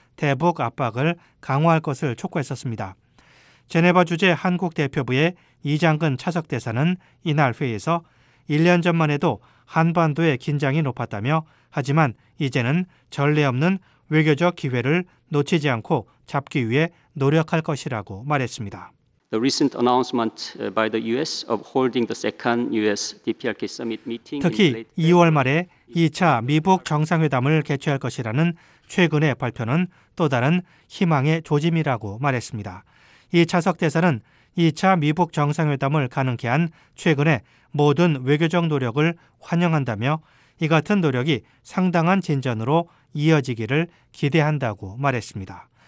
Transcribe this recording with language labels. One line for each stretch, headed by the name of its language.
Korean: 대북 압박을 강화할 것을 촉구했었습니다. 제네바 주재 한국 대표부의 이장근 차석 대사는 이날 회의에서 1년 전만 해도 한반도의 긴장이 높았다며 하지만 이제는 전례 없는 외교적 기회를 놓치지 않고 잡기 위해 노력할 것이라고 말했습니다.
English: The recent announcement by the US of holding the second US DPRK summit meeting
Korean: 특히 2월 말에 2차 미북 정상회담을 개최할 것이라는 최근의 발표는 또 다른 희망의 조짐이라고 말했습니다. 이 차석 대사는 2차 미북 정상회담을 가능케 한 최근의 모든 외교적 노력을 환영한다며 이 같은 노력이 상당한 진전으로 이어지기를 기대한다고 말했습니다.